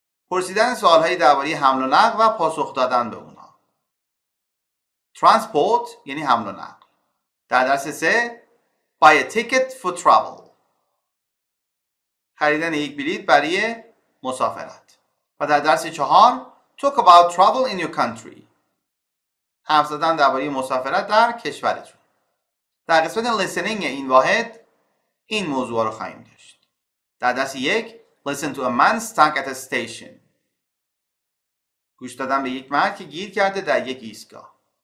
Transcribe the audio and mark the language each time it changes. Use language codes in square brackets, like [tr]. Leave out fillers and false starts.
[fa] پرسیدن سوال‌های درباره حمل و نقل و پاسخ دادن به اونا. Transport یعنی حمل و نقل. در درس 3 [en] buy a ticket for travel. [fa] خریدن یک بلیط برای مسافرت. و در درس 4 [en] talk about travel in your country. [fa] حرف زدن درباره مسافرت در کشورتون. در قسمت listening این واحد این موضوع رو خواهیم داشت. در دست [en] 1 listen to a man stuck at a station. [fa] گوش دادن به یک مرد که گیر کرده در یک ایستگاه.